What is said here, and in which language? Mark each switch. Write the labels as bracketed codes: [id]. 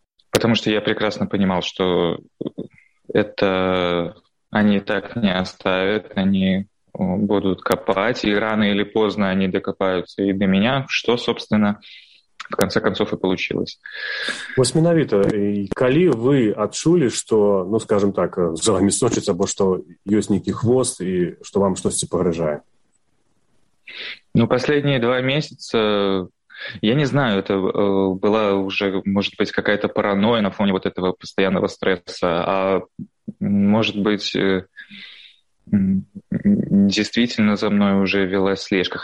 [ru] Потому что я прекрасно понимал, что это они так не оставят, они будут копать, и рано или поздно они докопаются и до меня, что, собственно, в конце концов, и получилось. [be] Вось менавіта, і калі вы адчулі, што, ну, скажам так, за вами сочыць, або што ёсць некі хвост, і што вам штосьці пагражае? [ru] Ну, последние 2 месяца, я не знаю, это была уже, может быть, какая-то паранойя на фоне вот этого постоянного стресса, а может быть, действительно за мной уже велась слежка.